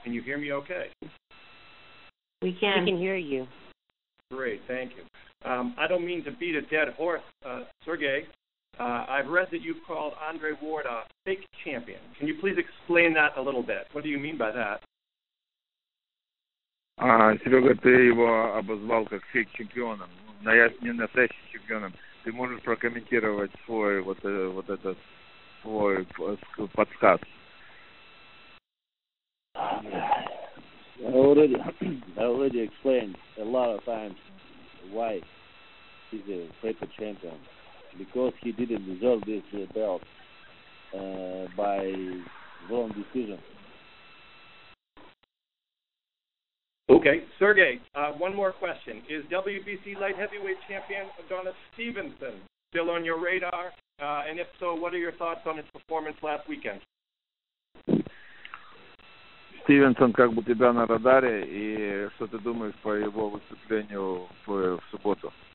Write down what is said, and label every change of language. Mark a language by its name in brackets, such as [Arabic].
[English] Can you hear me okay? We can. We can hear you. Great. Thank you. I don't mean to beat a dead horse, Sergey. I've read that you've called Andre Ward a fake champion. Can you please explain that a little bit? What do you mean by that? [Russian] Серега, ты его обозвал как фейк-чемпионом. Но я не настоящий чемпионом. Ты можешь прокомментировать свой вот этот свой подсказ. [English] I already explained a lot of times why he's a paper champion. Because he didn't deserve this belt by wrong decision. Okay, Sergey, one more question. Is WBC light heavyweight champion Adonis Stevenson still on your radar? And if so, what are your thoughts on his performance last weekend? [Russian] Стивенсон как бы тебя на радаре, и что ты думаешь по его выступлению в субботу?